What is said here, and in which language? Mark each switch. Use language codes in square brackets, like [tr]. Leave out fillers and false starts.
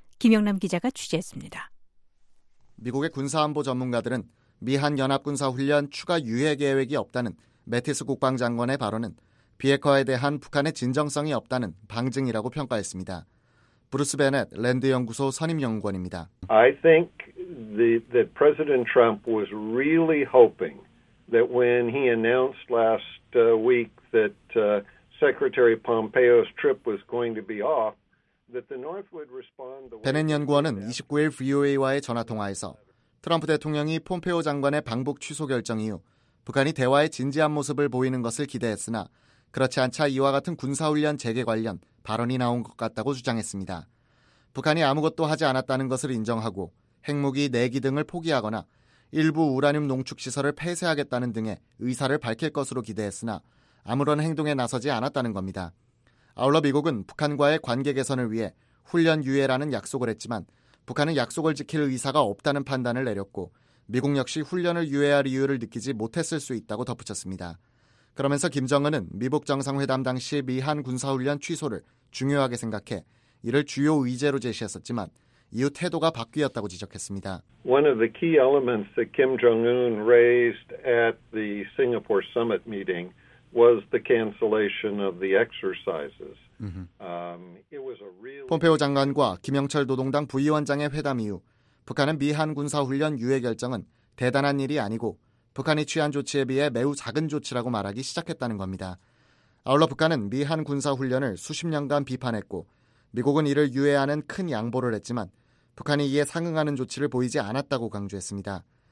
[ko] 김영남 기자가 취재했습니다. 미국의 군사안보 전문가들은 미한연합군사훈련 추가 유예 계획이 없다는 매티스 국방장관의 발언은 비핵화에 대한 북한의 진정성이 없다는 방증이라고 평가했습니다. 브루스 베넷 랜드연구소 선임연구원입니다. [en] I think that President Trump was really hoping that when he announced last week that Secretary Pompeo's trip was going to be off, that the North would respond. [ko] 베넷 연구원은 29일 VOA와의 전화 통화에서 트럼프 대통령이 폼페이오 장관의 방북 취소 결정 이후 북한이 대화에 진지한 모습을 보이는 것을 기대했으나 그렇지 않자 이와 같은 군사 훈련 재개 관련 발언이 나온 것 같다고 주장했습니다. 북한이 아무것도 하지 않았다는 것을 인정하고 핵무기 내기 등을 포기하거나 일부 우라늄 농축시설을 폐쇄하겠다는 등의 의사를 밝힐 것으로 기대했으나 아무런 행동에 나서지 않았다는 겁니다. 아울러 미국은 북한과의 관계 개선을 위해 훈련 유예라는 약속을 했지만 북한은 약속을 지킬 의사가 없다는 판단을 내렸고 미국 역시 훈련을 유예할 이유를 느끼지 못했을 수 있다고 덧붙였습니다. 그러면서 김정은은 미북 정상회담 당시 미한 군사훈련 취소를 중요하게 생각해 이를 주요 의제로 제시했었지만 이후 태도가 바뀌었다고 지적했습니다. [en] One of the key elements that Kim Jong-un raised at the Singapore summit meeting was the cancellation of the exercises. [ko] 폼페이오 장관과 김영철 노동당 부위원장의 회담 이후 북한은 미한 군사훈련 유예 결정은 대단한 일이 아니고 북한이 취한 조치에 비해 매우 작은 조치라고 말하기 시작했다는 겁니다. 아울러 북한은 미한 군사훈련을 수십 년간 비판했고 미국은 이를 유예하는 큰 양보를 했지만 북한이 이에 상응하는 조치를 보이지 않았다고 강조했습니다.